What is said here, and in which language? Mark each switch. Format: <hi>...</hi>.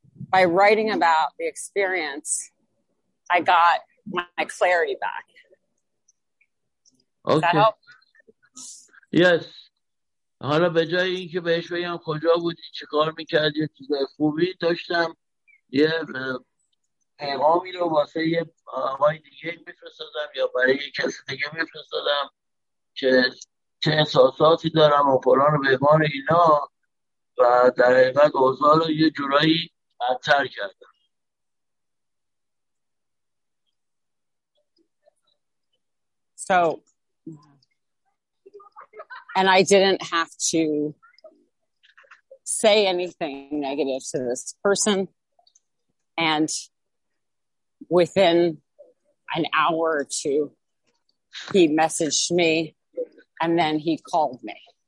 <en>By writing about the experience, I got my clarity back. Okay. That help? Yes.</en> <fa>حالا به جای این که بهش بگم کجا بودی، چه کار میکردی، یه چیزای خوبی داشتم، یه پیغامی رو واسه یه آقای دیگه میفرستادم یا برای یه کسی دیگه میفرستادم که چه احساساتی دارم و فلان و بهمان اینا، و در حقیقت اوضاع رو یه جورایی بدتر کردم.</fa> <en>So and I didn't have to say anything negative to this person. And within an hour or two, he messaged me and then he called me.</en>